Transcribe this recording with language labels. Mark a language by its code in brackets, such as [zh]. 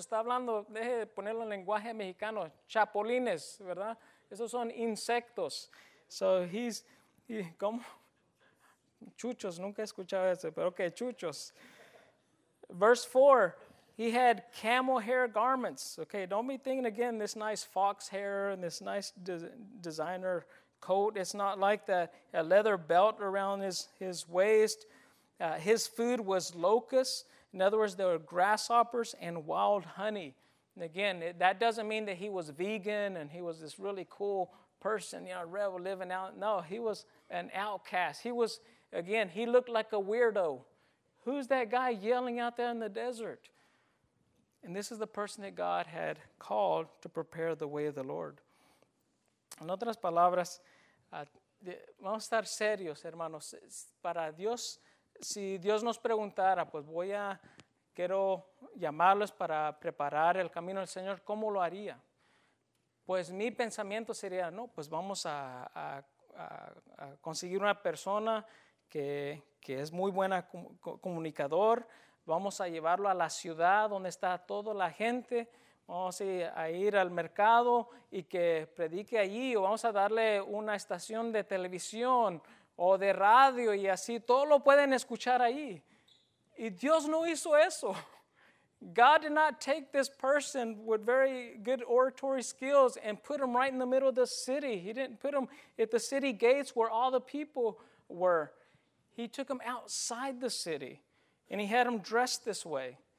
[es] Está hablando, deje de ponerlo en lenguaje mexicano, chapulines, ¿verdad? Esos son insectos. [en] So he's, [es] ¿cómo? Chuchos, nunca he escuchado eso, pero ok, chuchos. [en] Verse 4, he had camel hair garments. Okay, don't be thinking again this nice fox hair and this nice designer coat. It's not like that. A leather belt around his waist. His food was locusts. In other words, there were grasshoppers and wild honey. And again, that doesn't mean that he was vegan and he was this really cool person, you know, rebel living out. No, he was an outcast. He was, again, he looked like a weirdo. Who's that guy yelling out there in the desert? And this is the person that God had called to prepare the way of the Lord. [es] En otras palabras, vamos a estar serios, hermanos. Para Dios, si Dios nos preguntara, pues quiero llamarlos para preparar el camino del Señor, ¿cómo lo haría? Pues mi pensamiento sería, no, pues vamos a conseguir una persona que es muy buena comunicador, vamos a llevarlo a la ciudad donde está toda la gente, vamos a ir al mercado y que predique allí, o vamos a darle una estación de televisión o de radio y así, todo lo pueden escuchar ahí. Y Dios no hizo eso. [en] God did not take this person with very good oratory skills and put him right in the middle of the city. He didn't put him at the city gates where all the people were. He took him outside the city, and he had him dressed this way.